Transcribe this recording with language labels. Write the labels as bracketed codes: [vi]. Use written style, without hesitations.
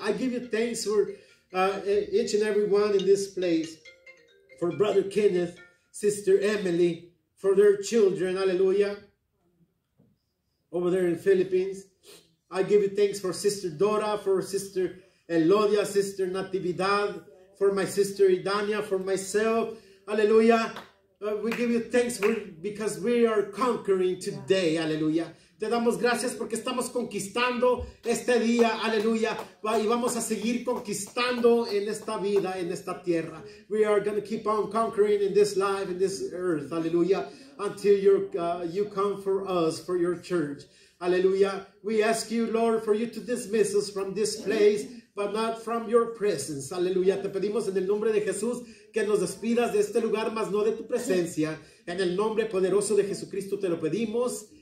[en] I give you thanks for each and every one in this place, for Brother Kenneth, Sister Emily, for their children, hallelujah, over there in Philippines. I give you thanks for Sister Dora, for Sister Elodia, Sister Natividad, for my sister Idania, for myself, hallelujah. We give you thanks because we are conquering today, yeah. [es] Aleluya. Te damos gracias porque estamos conquistando este día, aleluya. Y vamos a seguir conquistando en esta vida, en esta tierra. [en] We are going to keep on conquering in this life, in this earth, aleluya. Until you come for us, for your church, aleluya. We ask you, Lord, for you to dismiss us from this place, but not from your presence, aleluya. [es] Te pedimos en el nombre de Jesús que nos despidas de este lugar, mas no de tu presencia. En el nombre poderoso de Jesucristo te lo pedimos.